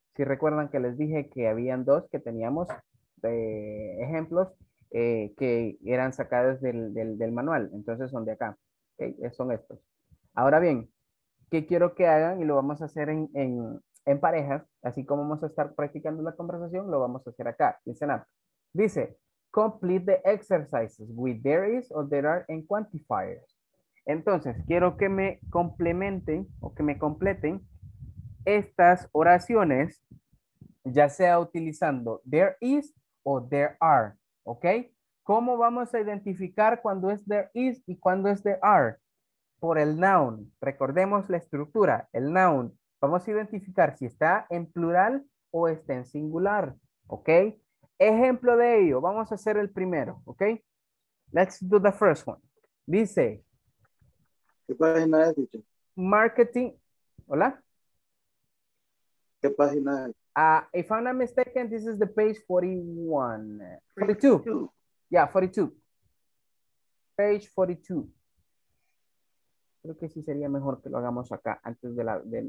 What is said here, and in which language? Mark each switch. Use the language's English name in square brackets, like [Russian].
[Spanish] Si recuerdan que les dije que habían dos que teníamos, de ejemplos que eran sacados del manual, entonces son de acá, okay, son estos. Ahora bien, ¿qué quiero que hagan? Y lo vamos a hacer en parejas, así como vamos a estar practicando la conversación, lo vamos a hacer acá. [English] Listen up. Dice, complete the exercises with there is or there are and quantifiers. [Spanish] Entonces, quiero que me complementen o que me completen estas oraciones, ya sea utilizando there is o there are, ¿ok? ¿Cómo vamos a identificar cuando es there is y cuando es there are? Por el noun. Recordemos la estructura, el noun. Vamos a identificar si está en plural o está en singular, ¿ok? Ejemplo de ello, vamos a hacer el primero, ¿ok? [English] Let's do the first one. Dice. [Spanish] ¿Qué página es, dicho? Marketing. ¿Hola? ¿Qué página es? [English] If I'm not mistaken, this is the page 41. 42. Yeah, 42. [Spanish] Page 42. Creo que sí sería mejor que lo hagamos acá antes de la